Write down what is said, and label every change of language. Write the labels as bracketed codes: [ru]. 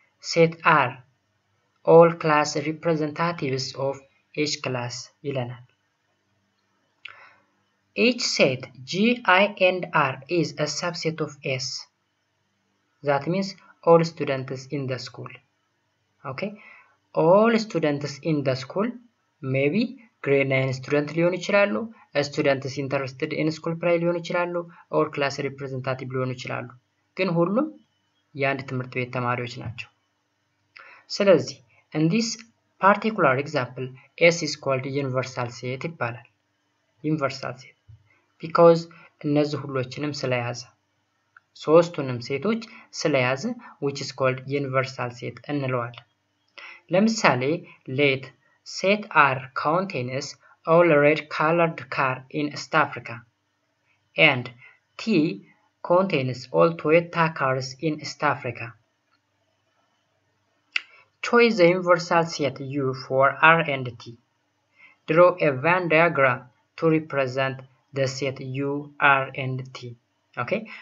[en] Set R all class representatives of each class [am] ይለናል። [en] Each set G, I and R is a subset of S. That means all students in the school. Okay. All students in the school, maybe grade 9 student [am] ሊሆኑ ይችላሉ, [en] students interested in school play ሊሆኑ ይችላሉ, or class representative ሊሆኑ ይችላሉ. [am] ግን ሁሉም የአንድ ትምህርት ቤት ተማሪዎች ናቸው. [en] ስለዚህ in this particular example, S is called universal set [am] ይባላል. [en] Universal set. [am] Because እነዚህ ሁሎችንም ስለያዘ ሶስቱንም ሴቶች ስለያዘ [en] which is called universal set [am] እንለዋለን. [en] ለምሳሌ let set R contains all red colored car in South Africa and T contains all Toyota cars in South Africa. Choose the universal set U for R and T. Draw a Venn diagram to represent the set U, R and T. Okay?